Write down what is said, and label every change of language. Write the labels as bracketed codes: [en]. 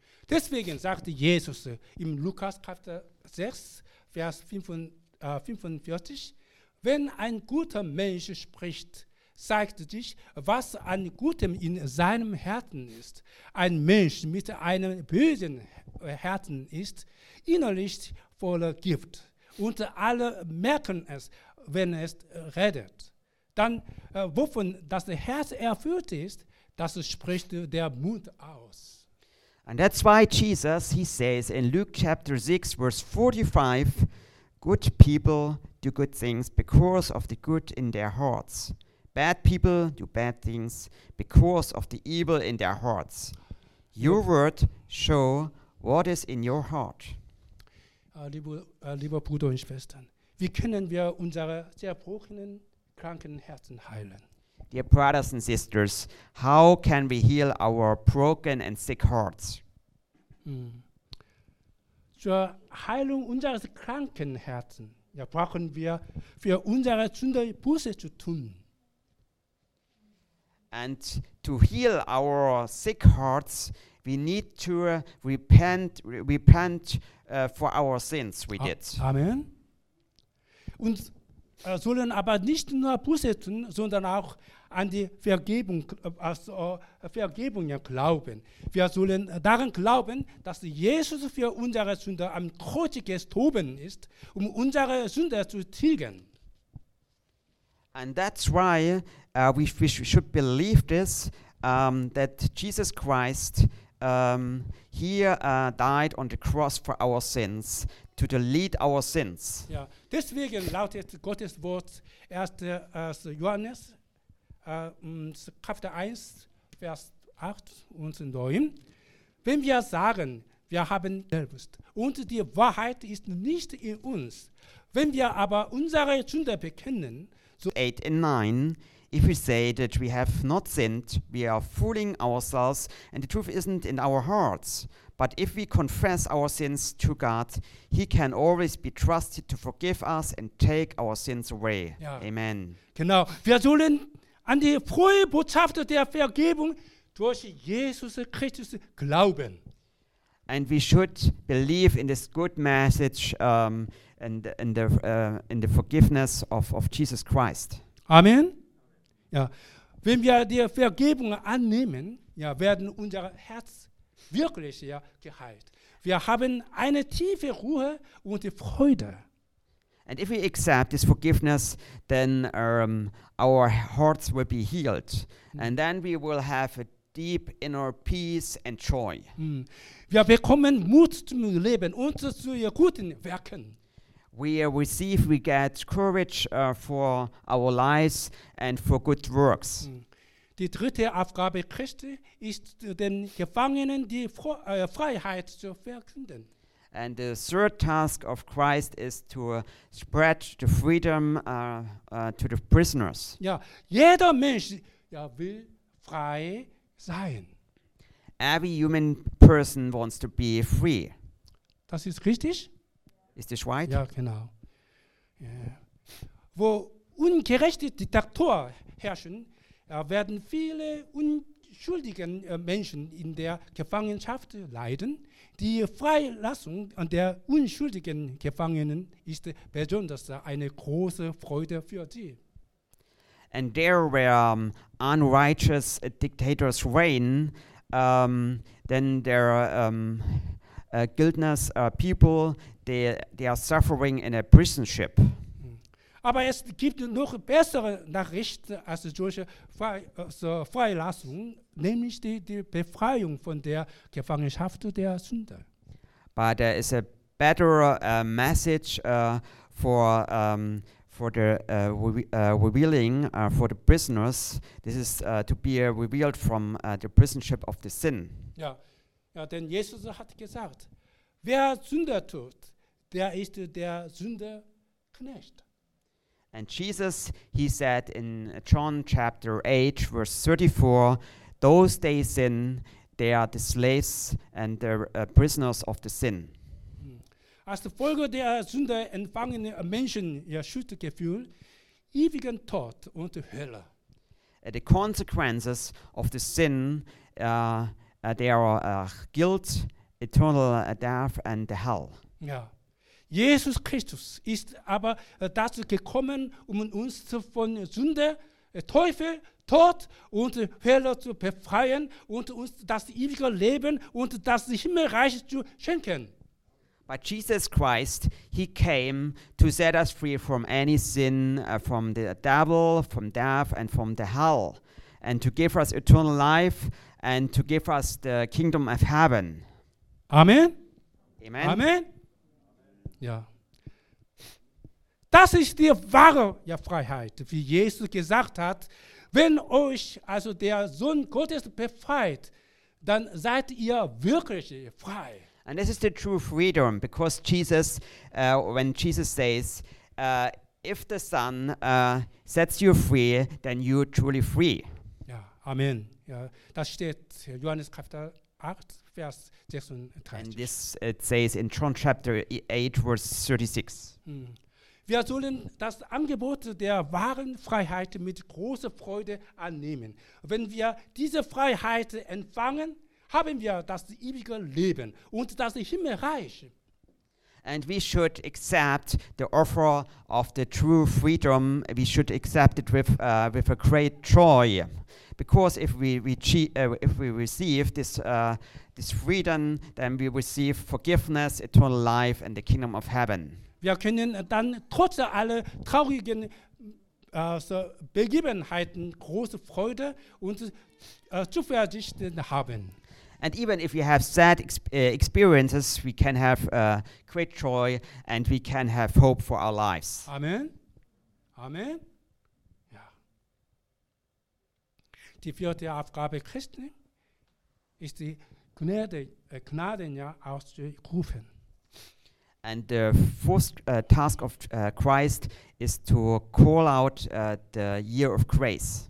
[de] Deswegen sagte Jesus im Lukas Kapitel 6, Vers 45, wenn ein guter Mensch spricht, zeigt sich, was an Gutem in seinem Herzen ist. Ein Mensch mit einem bösen Herzen ist innerlich voller Gift. Und alle merken es, wenn es redet. Dann, wovon das Herz erfüllt ist, das spricht der Mund aus. [en] And that's why Jesus, he says in Luke chapter 6, verse 45, good people do good things because of the good in their hearts. Bad people do bad things because of the evil in their hearts. Your word show what is in your heart. [de] Lieber Bruder und Schwestern, wie können wir unsere zerbrochenen, kranken Herzen heilen? [en] Dear brothers and sisters, how can we heal our broken and sick hearts? [de] Zur Heilung unseres kranken Herzen brauchen wir für unsere Sünde Buße zu tun. [en] And to heal our sick hearts, we need to repent for our sins we did. Amen. [de] Und sollen aber nicht nur Buße tun, sondern auch an die Vergebung, Vergebung glauben. Wir sollen daran glauben, dass Jesus für unsere Sünde am Kreuz gestorben ist, um unsere Sünde zu tilgen. [en] And that's why we should believe this, that Jesus Christ died on the cross for our sins, to delete our sins. [de] Ja, deswegen lautet Gottes Wort 1. Johannes Kapitel 1, Vers 8 und 9. Wenn wir sagen, wir haben selbst und die Wahrheit ist nicht in uns, wenn wir aber unsere Sünde bekennen, [en] so 8 and 9, if we say that we have not sinned, we are fooling ourselves and the truth isn't in our hearts. But if we confess our sins to God, he can always be trusted to forgive us and take our sins away. [de] Ja. Amen. Genau. Wir sollen an die frohe Botschaft der Vergebung durch Jesus Christus glauben. [en] And we should believe in this good message and in the forgiveness of Jesus Christ. [de] Amen. Ja. Wenn wir die Vergebung annehmen, werden unser Herz wirklich geheilt. Wir haben eine tiefe Ruhe und Freude. [en] And if we accept this forgiveness, then our hearts will be healed. And then we will have a deep inner peace and joy. [de] Wir bekommen Mut zum Leben und zu guten Werken. [en] We get courage for our lives and for good works. [de] Die dritte Aufgabe Christi ist, den Gefangenen die Freiheit zu verkünden. [en] And the third task of Christ is to spread the freedom to the prisoners. [de] Ja, jeder Mensch will frei sein. [en] Every human person wants to be free. [de] Das ist richtig? Ist das right? Ja, genau. Yeah. Wo ungerechte Diktatoren herrschen, werden viele unschuldige Menschen in der Gefangenschaft leiden. Die Freilassung der unschuldigen Gefangenen ist besonders eine große Freude für sie. [en] And there where unrighteous dictators reign, then their guiltless people, they are suffering in a prison ship. [de] Aber es gibt noch bessere Nachrichten als solche Freilassung, nämlich die Befreiung von der Gefangenschaft der Sünde. [en] But there is a better message for the prisoners. This is to be revealed from the prisonship of the sin. [de] Ja, denn Jesus hat gesagt, wer Sünde tut, der ist der Sünde Knecht. [en] And Jesus, he said in John chapter 8, verse 34, those they sin, they are the slaves and the prisoners of the sin. [de] As the Volga der Sünde empfangen Menschen, Schuldgefühl, ewigen Tod und Hölle. [en] The consequences of the sin, there are guilt, eternal death and the hell. Yeah. [de] Jesus Christus ist aber dazu gekommen, um uns von Sünde, Teufel, Tod und Hölle zu befreien und uns das ewige Leben und das Himmelreich zu schenken. [en] But Jesus Christ, he came to set us free from any sin, from the devil, from death and from the hell, and to give us eternal life and to give us the kingdom of heaven. Amen. Amen. [de] Amen. Ja. Das ist die wahre Freiheit, wie Jesus gesagt hat. Wenn euch also der Sohn Gottes befreit, dann seid ihr wirklich frei. [en] And this is the true freedom, because Jesus, when Jesus says, if the Son sets you free, then you're truly free. [de] Ja, Amen. Ja, das steht in Johannes Kapitel 8, Vers 36. [en] And this it says in John chapter 8, verse 36. [de] Wir sollen das Angebot der wahren Freiheit mit großer Freude annehmen. Wenn wir diese Freiheit empfangen, haben wir das ewige Leben und das Himmelreich. [en] And we should accept the offer of the true freedom. We should accept it with a great joy, because if we receive this freedom, then we receive forgiveness, eternal life and the kingdom of heaven. [de] Wir können dann trotz aller traurigen Begebenheiten große Freude und Zuversicht haben. [en] And even if we have sad experiences, we can have great joy and we can have hope for our lives. [de] Amen. Amen. Ja. Die vierte Aufgabe Christen ist die Gnade, auszurufen. [en] And the first task of Christ is to call out the year of grace.